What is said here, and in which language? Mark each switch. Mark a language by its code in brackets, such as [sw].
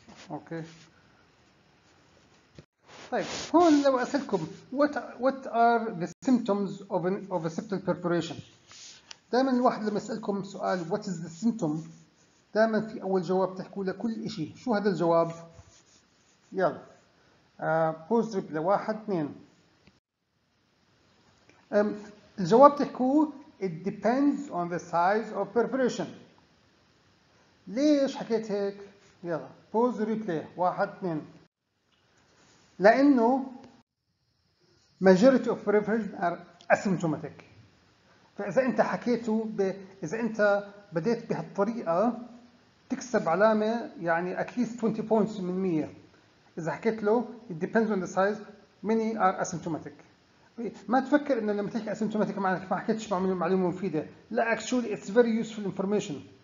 [ar] اوكي، طيب هون لو اسالكم [en] what are the symptoms of a septal perforation, [ar] دائما الواحد لما يسالكم سؤال [en] what is the symptom, [ar] دائما في اول جواب تحكوا له كل شيء. شو هذا الجواب؟ يلا بوز ريبلي 1 2. الجواب تحكوا [en] it depends on the size of perforation. [ar] ليش حكيت هيك؟ يلا بوز ريبلي 1 2. [en] لانه majority of perforation are asymptomatic. [ar] فاذا انت حكيته اذا انت بديت بهالطريقه تكسب علامه يعني [en] at least 20 points [ar] من 100. إذا حكيت له [en] it depends on the size، many are asymptomatic. [ar] ما تفكر إنه لما تحكي asymptomatic معناك ما حكيتش معلومة مفيدة. [en] لا actually it's very useful information.